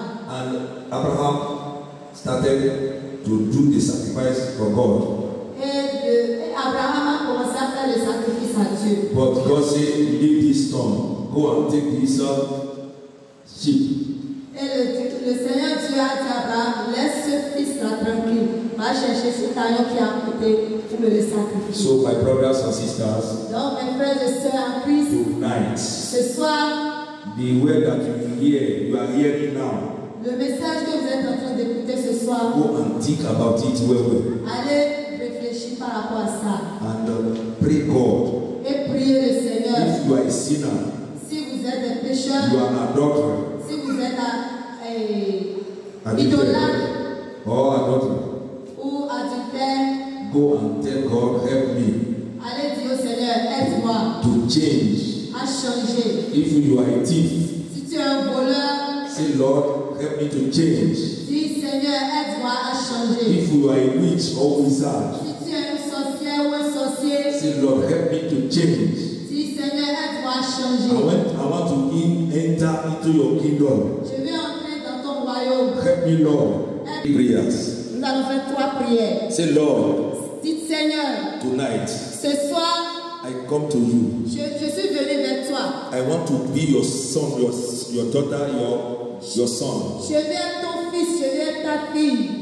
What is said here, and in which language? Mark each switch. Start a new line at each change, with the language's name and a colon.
English: And Abraham started to do the sacrifice for God.
French: Abraham a commencé à faire le sacrifice à Dieu.
English: But God said, leave this stone. Go and take this sheep.
French: Le Seigneur Dieu a dit à Abraham, laisse ce fils là tranquille. Va chercher ce taillon qui a coûté pour le sacrifice.
English: So my brothers and sisters,
French: donc mes frères et sœurs en Christ,
English: tonight,
French: ce soir,
English: the word that you hear, you are hearing now,
French: le message que vous êtes en train d'écouter ce soir,
English: go and think about it well.
French: Allez réfléchir par rapport à ça.
English: And pray God.
French: Et priez le Seigneur.
English: If you are a sinner,
French: si vous êtes un pécheur,
English: you are an adulterer.
French: Si vous êtes un idolâtre,
English: oh, adulterer.
French: Ou adultère,
English: go and tell God, help me.
French: Allez dire au Seigneur, aide-moi.
English: To change.
French: À changer.
English: If you are a thief,
French: si tu es un voleur,
English: say Lord, help me to change.
French: Dis Seigneur, aide-moi à changer.
English: If you are a witch or wizard,
French: si tu es un sorcier ou un sorcier,
English: say Lord, help me to change.
French: Dis Seigneur, aide-moi à changer.
English: I want to enter into your kingdom.
French: Je veux entrer dans ton royaume.
English: Help me, Lord. Prayers.
French: Nous allons faire trois prières.
English: Say Lord.
French: Dis Seigneur.
English: Tonight.
French: Ce soir.
English: I come to you.
French: Je suis venu vers toi.
English: I want to be your son, your daughter, your son.
French: Je veux être ton fils, je veux être ta fille.